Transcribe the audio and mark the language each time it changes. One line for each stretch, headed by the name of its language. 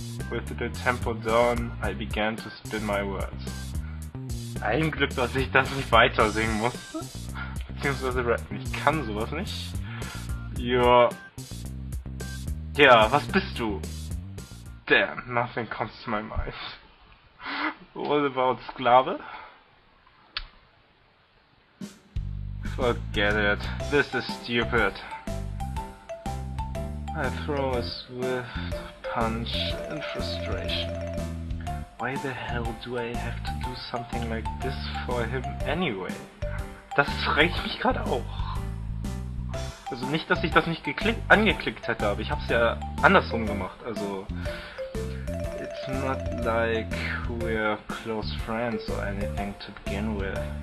English: With the tempo down, I began to spin my words.
German: Ein Glück, dass ich das nicht weiter singen musste. Beziehungsweise rappen. Ich kann sowas nicht. Ja, was bist du?
English: Damn, nothing comes to my mind. What about Sklave? Forget it. This is stupid. I throw a swift punch in frustration. Why the hell do I have to do something like this for him anyway?
German: Das frage ich mich gerade auch. Also nicht, dass ich das nicht geklickt, angeklickt hätte, aber ich hab's ja andersrum gemacht.
English: Also, it's not like we're close friends or anything to begin with.